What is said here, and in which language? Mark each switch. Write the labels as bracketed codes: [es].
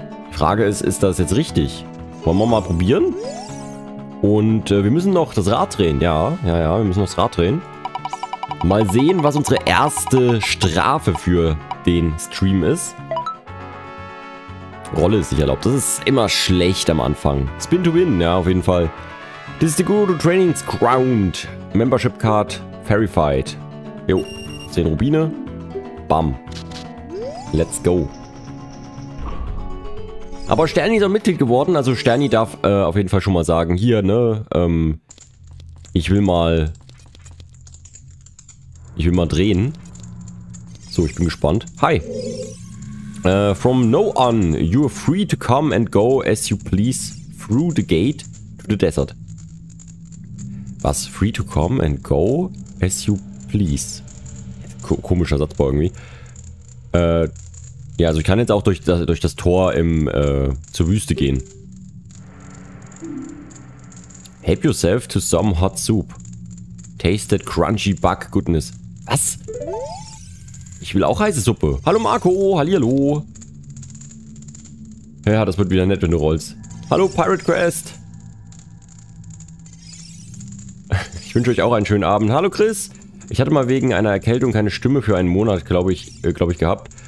[de] Die Frage ist, ist das jetzt richtig? Wollen wir mal probieren? Und wir müssen noch das Rad drehen. Ja, wir müssen noch das Rad drehen. Mal sehen, was unsere erste Strafe für den Stream ist. Rolle ist nicht erlaubt. Das ist immer schlecht am Anfang. [en] Spin to win, [de] ja, auf jeden Fall. [en] This is the Guru Trainings Ground. Membership Card verified. [de] Jo, 10 Rubine. Bam. [en] Let's go. [de] Aber Sterni ist auch Mitglied geworden, also Sterni darf auf jeden Fall schon mal sagen, hier, ne, ich will mal drehen. So, ich bin gespannt. Hi. [en] From now on, you are free to come and go as you please through the gate to the desert. [de] Was? [en] Free to come and go as you please. [de] Komischer Satzbau irgendwie. Ja, also ich kann jetzt auch durch das Tor im zur Wüste gehen. [en] Help yourself to some hot soup. Taste that crunchy bug goodness. [de] Was? Ich will auch heiße Suppe. Hallo Marco, hallihallo. Ja, das wird wieder nett, wenn du rollst. Hallo Pirate Quest. Ich wünsche euch auch einen schönen Abend. Hallo Chris. Ich hatte mal wegen einer Erkältung keine Stimme für einen Monat, glaube ich, gehabt.